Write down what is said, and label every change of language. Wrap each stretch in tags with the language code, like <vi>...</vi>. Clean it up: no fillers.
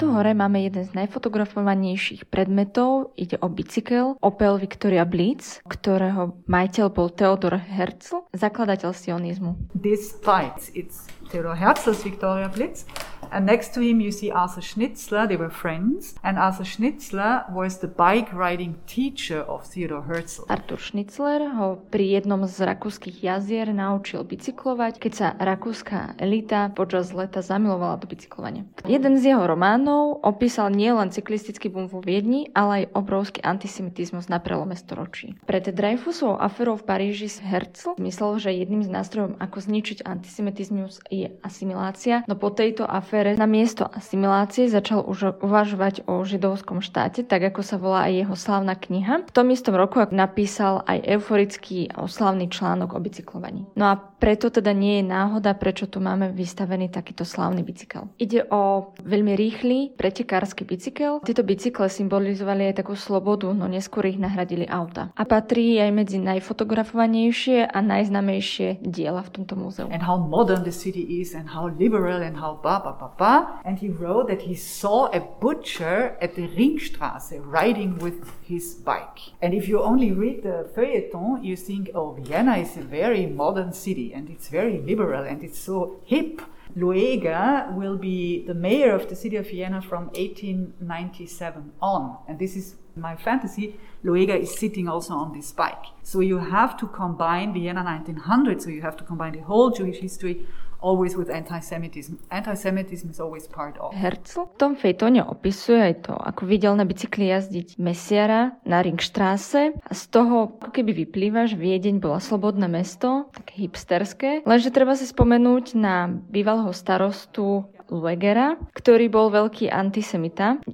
<sk>Máme jeden z najfotografovanejších predmetov, ide o bicykel Opel Victoria Blitz, ktorého majiteľ bol Theodor Herzl, zakladateľ sionizmu.</sk> <en>This bike, it's Theodor Herzl's Victoria Blitz. And next to him you see Arthur Schnitzler, they were friends. And Arthur Schnitzler was the bike riding teacher of Theodor Herzl.</en> <sk>Arthur Schnitzler ho pri jednom z rakúskych jazier naučil bicyklovať, keď sa rakúska elita počas leta zamilovala do bicyklovania. Jeden z jeho románov opísal nielen cyklistický boom vo Viedni, ale aj obrovský antisemitizmus na prelome storočí. Pred Dreyfusovou aférou v Paríži Herzl myslel, že jedným z nástrojov, ako zničiť antisemitizmus, je asimilácia, no po tejto afére na miesto asimilácie začal už uvažovať o židovskom štáte, tak ako sa volá aj jeho slávna kniha. V tom istom roku napísal aj euforický a oslavný článok o bicyklovaní. No a preto teda nie je náhoda, prečo tu máme vystavený takýto slávny bicykel. Ide o veľmi rýchly pretekársky bicykel. Tieto bicykle symbolizovali aj takú slobodu, no neskôr ich nahradili auta. A patrí aj medzi najfotografovanejšie a najznamejšie diela v tomto múzeu.</sk> <en>And how modern the city is and how liberal and how ba-ba-ba-ba. And he wrote that he saw a butcher at the Ringstraße riding with his bike. And if you only read the feuilleton, you think, oh, Vienna is a very modern city. And it's very liberal and it's so hip. Luega will be the mayor of the city of Vienna from 1897 on. And this is my fantasy. Luega is sitting also on this bike. So you have to combine Vienna 1900, so you have to combine the whole Jewish history always with antisemitism. Antisemitism is always part of.</en> <sk>Herzl v tom fejtone opisuje aj to, ako videl na bicykli jazdiť mesiara na Ringstraße a z toho, ako keby vyplýva, že Viedeň bola slobodné mesto, také hipsterské. Lenže treba si spomenúť na bývalého starostu Luegera, ktorý bol veľký antisemita.</sk>